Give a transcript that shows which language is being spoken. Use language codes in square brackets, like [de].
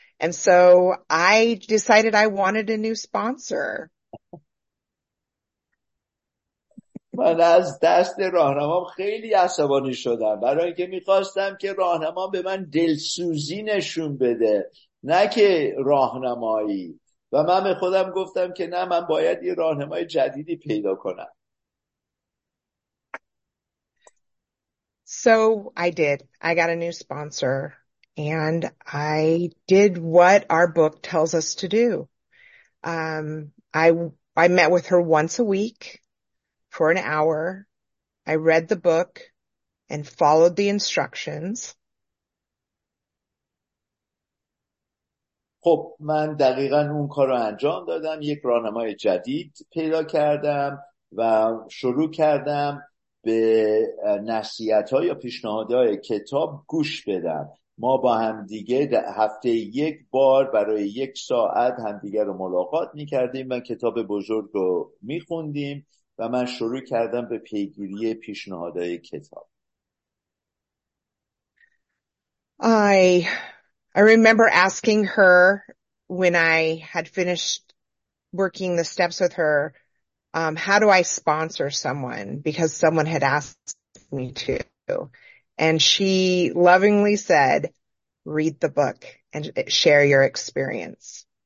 [en] And so I decided I wanted a new sponsor. [fa] من از دست راهنمام خیلی عصبانی شدم، برای اینکه میخواستم که راهنمام به من دلسوزی نشون بده نه که راهنمایی، و من به خودم گفتم که نه، من باید یه راهنمای جدیدی پیدا کنم. [en] So I did. I got a new sponsor and I did what our book tells us to do. I met with her once a week for an hour. I read the book and followed the instructions. [fa] خب من دقیقاً اون کارو انجام دادم، یک راهنمای جدید پیدا کردم و شروع کردم به نصیحت‌ها یا پیشنهادهای کتاب گوش بدم. ما با هم دیگه هفته یک بار برای یک ساعت همدیگه رو ملاقات می‌کردیم و کتاب بزرگ رو می‌خوندیم و من شروع کردم به پیگیری پیشنهادهای کتاب. [en] I remember asking her when I had finished working the steps with her, how do I sponsor someone? Because someone had asked me to. And she lovingly said, read the book and share your experience.